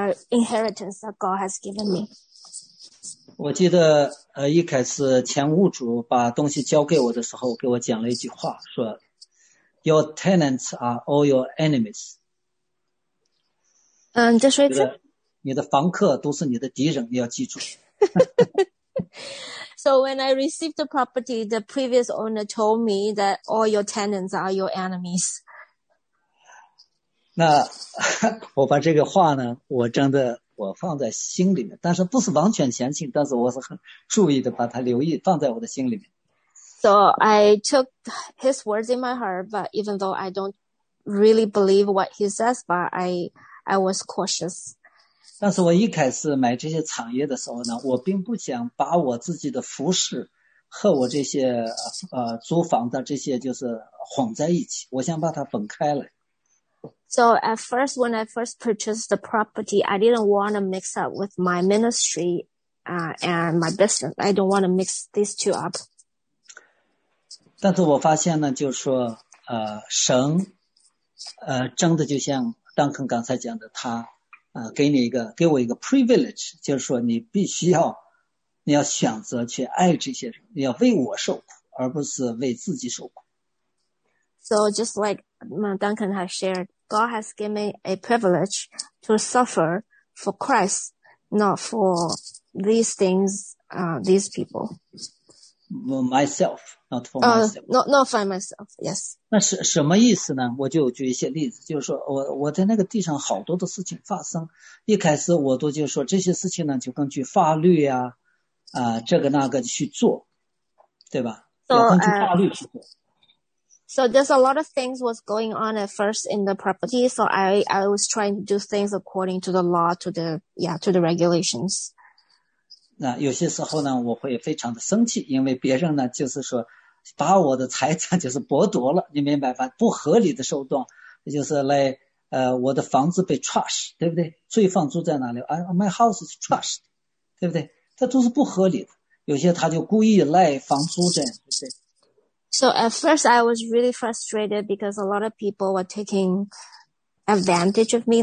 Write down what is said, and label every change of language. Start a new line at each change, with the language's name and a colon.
English: Inheritance that God has given me.
Chinese: 我记得一开始前屋主把东西交给我的时候给我讲了一句话，说
English: Your tenants are all your enemies.
Chinese: 你再说一次。你的房客都是你的敌人，你要记住。
English: So when I received the property, the previous owner told me that all your tenants are your enemies.
Chinese: 那我把这个话呢，我真的我放在心里面，但是不是完全相信，但是我是很注意的把它留意放在我的心里面。
English: So I took his words in my heart, but even though I don't really believe what he says, but I was cautious.
Chinese: 但是我一开始买这些产业的时候呢，我并不想把我自己的服饰和我这些租房的这些就是混在一起，我想把它分开来。
English: So at first, when I first purchased the property, I didn't want to mix up with my ministry, and my business. I don't want to mix these two up.
Chinese: 但是我发现呢，就是说，神，真的就像丹肯刚才讲的，他，给你一个，给我一个 privilege， 就是说你必须要，你要选择去爱这些人，你要为我受苦，而不是为自己受苦。
English: So just like Duncan has shared, God has given me a privilege to suffer for Christ, not for these things, these people. Myself, not for myself. Not for myself, yes.
Chinese: 那是什么意思呢？我就举一些例子，就是说我在那个地上好多的事情发生，一开始我都就说这些事情呢就根据法律呀、这个那个去做，对吧？
English: So,
Chinese: 要根据法律去做。
English: So there's a lot of things was going on at first in the property. So I was trying to do things according to the law, to the regulations.
Chinese: 那有些时候呢，我会非常的生气，因为别人呢就是说把我的财产就是剥夺了，你明白吧？不合理的手段，就是来我的房子被 trash， 对不对？罪犯住在哪里？
English: My house is trashed，
Chinese: 对不对？这都是不合理的。有些他就故意赖房租这样，对不对？
English: So at first, I was really frustrated because a lot of people were taking advantage of me.